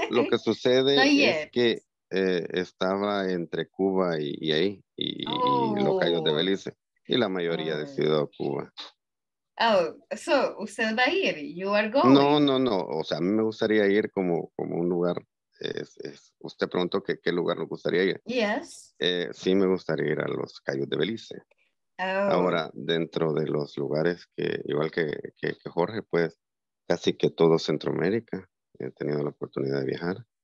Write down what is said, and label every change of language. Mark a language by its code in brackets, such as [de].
[es] Lo que sucede es que estaba entre Cuba y ahí, y los cayos de Belice, y la mayoría decidió a Cuba. [en] Oh, so [es] usted va a ir, [en] you are going. [es] No. O sea, a mí me gustaría ir como un lugar. Usted preguntó que qué lugar le gustaría ir. [en] Yes. [es] Sí, me gustaría ir a los cayos de Belice. Oh. Ahora, dentro de los lugares que, igual que Jorge, pues, casi que todo Centroamérica, he tenido la oportunidad de viajar.